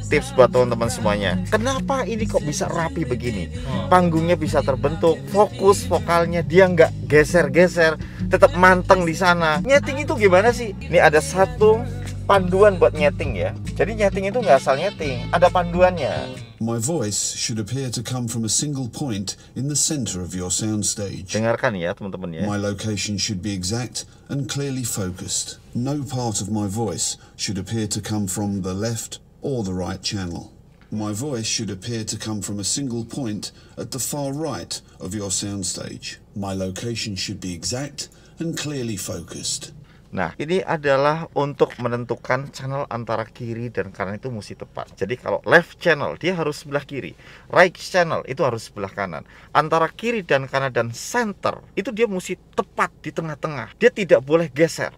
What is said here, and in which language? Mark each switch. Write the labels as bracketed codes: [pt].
[id] tips buat teman-teman semuanya. Kenapa ini kok bisa rapi begini? Panggungnya bisa terbentuk, fokus vokalnya dia nggak geser-geser, tetap manteng di sana. Nyeting itu gimana sih? Ini ada satu panduan buat nyeting ya. Jadi nyeting itu nggak asal nyeting, ada panduannya. [en] My voice should appear to come from a single point in the center of your sound stage. [id] Dengarkan ya teman-teman ya. [en] My location should be exact and clearly focused. No part of my voice should appear to come from the left or the right channel. My voice should appear to come from a single point at the far right of your sound stage. My location should be exact and clearly focused. [id] Nah, ini adalah untuk menentukan channel antara kiri dan kanan itu mesti tepat. Jadi kalau [en] left channel, [id] dia harus sebelah kiri. [en] Right channel, [id] itu harus sebelah kanan. Antara kiri dan kanan dan center, itu dia mesti tepat di tengah-tengah. Dia tidak boleh geser.